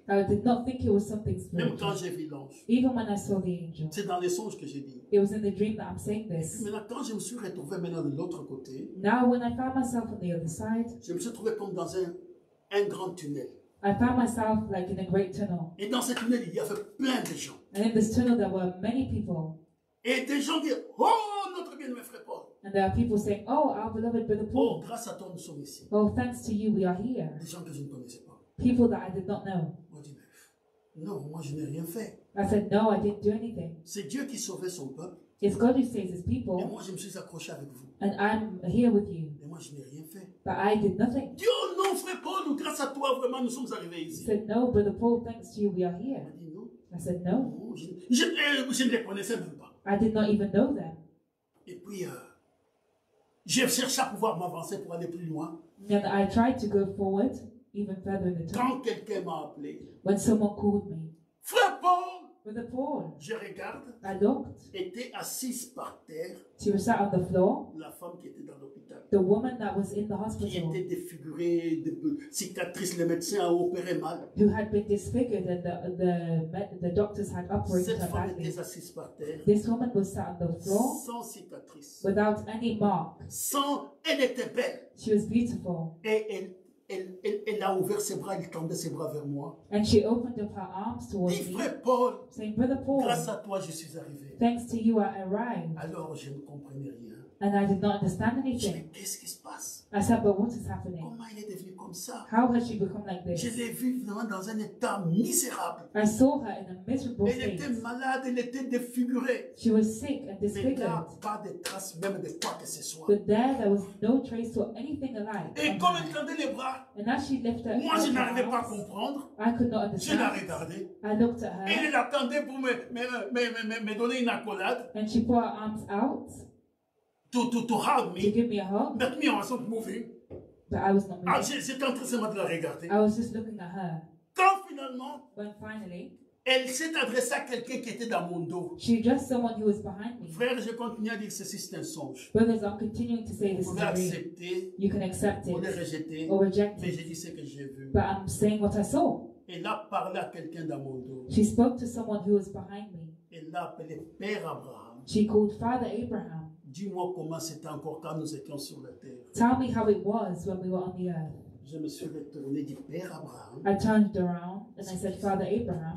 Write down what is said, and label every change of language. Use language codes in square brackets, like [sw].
[en] I did not think it was something spiritual. [fr] Même quand j'ai vu l'ange. [en] Even when I saw the angel. [fr] C'est dans les songes que j'ai dit. [en] It was in the dream that I'm saying this. [fr] Maintenant, quand je me suis retrouvé maintenant de l'autre côté. [en] Now when I found myself on the other side. [fr] Je me suis trouvé comme dans un grand tunnel. [en] I found myself like in a great tunnel. [fr] Et dans cette tunnel, il y avait plein de gens. [en] And in this tunnel, there were many people. [fr] Et des gens disent, oh, notre bien-aimé frère Paul. [en] And there are people saying, oh, our beloved brother Paul. [fr] Oh, grâce à toi, nous sommes ici. [en] Oh, thanks to you, we are here. [fr] Des gens que je ne connaissais pas. [en] People that I did not know. [fr] Moi, je dis, mais, non, moi, je n'ai rien fait. [en] I said, no, I didn't do anything. [fr] C'est Dieu qui sauvait son peuple. [en] It's God who saves his people. [fr] Et moi, je me suis accroché avec vous. [en] And I'm here with you. [fr] Et moi, je n'ai rien fait. [en] But I did nothing. [fr] Dieu, non, frère Paul, nous, grâce à toi, vraiment, nous sommes arrivés ici. [en] He said, no, brother Paul, thanks to you, we are here. [fr] Dit, non. [en] I said, no. [fr] Non, je ne les connaissais même pas. [en] I did not even know them. [fr] Et puis, j'ai cherché à pouvoir m'avancer pour aller plus loin. [en] And I tried to go forward, even further in the time. [fr] Quand quelqu'un m'a appelé. [en] When someone called me. [fr] Frère Paul! [en] With the pool, [fr] je regarde, [en] I looked, [fr] était assise par terre, [en] she was sat on the floor, [fr] la femme qui était dans l'hôpital, [en] the woman that was in the hospital, [fr] qui était défigurée, cicatrice, le médecin a opéré mal, [en] who had been disfigured and the doctors had operated [fr] cette [en] her badly. [fr] Cette femme était assise par terre, [en] this woman was sat on the floor, [fr] sans cicatrice, [en] without any mark, [fr] sans, elle était belle, [en] she was beautiful, [fr] et elle a ouvert ses bras, elle tendait ses bras vers moi. [en] And she opened up her arms towards me. Frère Paul, saying, Brother Paul, [fr] grâce à toi, je suis arrivé. [en] Thanks to you, I arrived. [fr] Alors, je ne comprenais rien. [en] And I did not understand anything. [fr] Je dis, qu'est-ce qui se passe? [en] I said, but what is happening? [fr] Comment elle est devenue comme ça? [en] How has she become like this? [fr] Je l'ai vue vraiment dans un état misérable. [en] I saw her in a miserable state. [fr] Elle était malade, elle était défigurée. [en] She was sick and disfigured. [fr] Mais là, pas de trace même de quoi que ce soit. [en] But there was no trace of anything alive. [fr] Et comme elle tendait les bras. [en] And as she lifted [fr] moi, je n'arrivais pas à comprendre. [en] I could not understand. [fr] Je la regardais. [en] I looked at her. [fr] Et elle attendait pour me donner une accolade. [en] And she put her arms out. To hug me. To give me a hug. But me, I wasn't moving. But I was not moving. [fr] Ah, j'étais en train seulement de la regarder. [en] I was just looking at her. [fr] Quand finalement. [en] When finally. [fr] Elle s'est adressée à quelqu'un qui était dans mon dos. [en] She addressed someone who was behind me. [fr] Frère, je continue à dire ceci, c'est un songe. [en] Brothers, I'm continuing to say this is a dream. You can accept it. [fr] On est rejeté. [en] Or reject it. [fr] Mais j'ai dit ce que j'ai vu. [en] But I'm saying what I saw. [fr] Elle a parlé à quelqu'un dans mon dos. [en] She spoke to someone who was behind me. [fr] Elle a appelé Père Abraham. [en] She called Father Abraham. [fr] Dis-moi comment c'était encore quand nous étions sur la terre. [en] Tell me how it was when we were on the earth. [fr] Je me suis retourné dit Père Abraham. [en] I turned around and I said Father Abraham.